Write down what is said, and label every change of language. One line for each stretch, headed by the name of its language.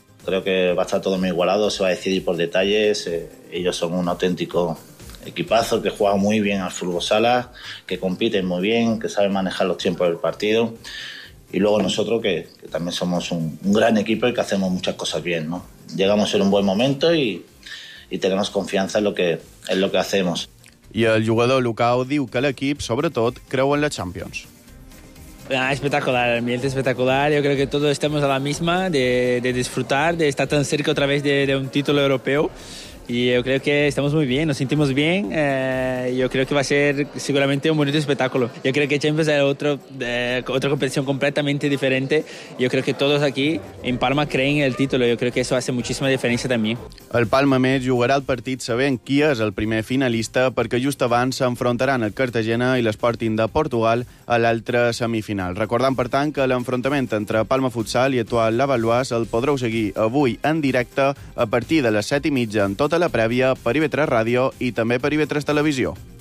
Spanish: Creo que va a estar todo muy igualado, se va a decidir por detalles. Ellos son un auténtico equipazo que juega muy bien al fútbol sala, que compiten muy bien, que saben manejar los tiempos del partido. Y luego nosotros, que también somos un gran equipo y que hacemos muchas cosas bien, ¿no? Llegamos en un buen momento y tenemos confianza en lo que hacemos.
Catalan: I el jugador Lucao diu que l'equip, sobretot, creu en la Champions.
Spanish: Ah, espectacular, el ambiente espectacular. Yo creo que todos estamos a la misma de disfrutar, de estar tan cerca otra vez de un título europeo. Y yo creo que estamos muy bien, nos sentimos bien. Yo creo que va a ser seguramente un bonito espectáculo. Yo creo que Champions es otra competición completamente diferente. Yo creo que todos aquí en Palma creen en el título. Yo creo que eso hace muchísima diferencia también.
Catalan: El Palma més jugarà el partit sabent qui és el primer finalista, perquè just abans s'enfrontaran el Cartagena i l'Sporting de Portugal a l'altra semifinal. Recordant, per tant, que l'enfrontament entre Palma Futsal i Étoile Levallois el podreu seguir avui en directe a partir de les 7:30 en tota la prèvia per IB3 Ràdio i també per IB3 Televisió.